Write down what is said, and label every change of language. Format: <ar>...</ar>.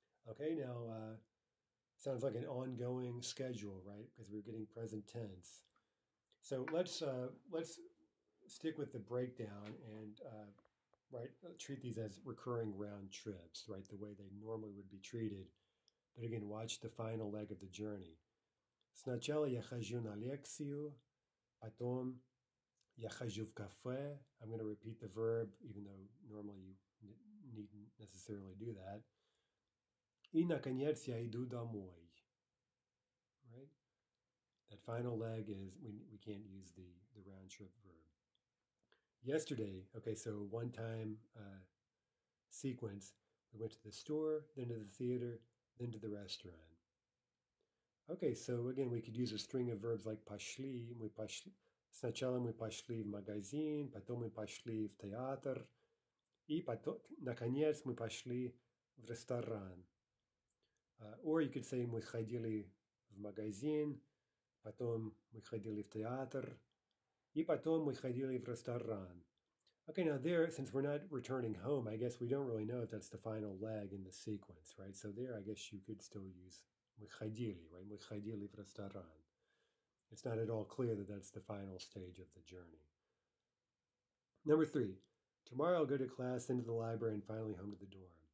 <en>Okay, now, sounds like an ongoing schedule, right? Because we're getting present tense. So let's stick with the breakdown and right, treat these as recurring round trips, right, the way they normally would be treated. But again, watch the final leg of the journey.</en> <ru>Сначала я хожу на лекцию, потом я хожу в кафе.</ru> <en>I'm going to repeat the verb, even though normally you needn't necessarily do that.</en> <ru>И наконец я иду домой. Right?</ru> <en>That final leg is, we can't use the round trip verb. Yesterday, okay, so one-time sequence, we went to the store, then to the theater, then to the restaurant. Okay, so again, we could use a string of verbs like</en> <ru>пошли, мы пошли, сначала мы пошли в магазин, потом мы пошли в театр, и потом, наконец, мы пошли в ресторан.</ru> <en>Or you could say</en> <ru>мы ходили в магазин, потом мы ходили в театр, и потом мы ходили в ресторан.</ru> <en>Okay, now there, since we're not returning home, I guess we don't really know if that's the final leg in the sequence, right? So there, I guess you could still use</en> <ru>мы ходили,</ru> <en>right?</en> <ru>Мы ходили в ресторан.</ru> <en>It's not at all clear that that's the final stage of the journey. Number three, tomorrow I'll go to class, then to the library, and finally home to the dorm.</en>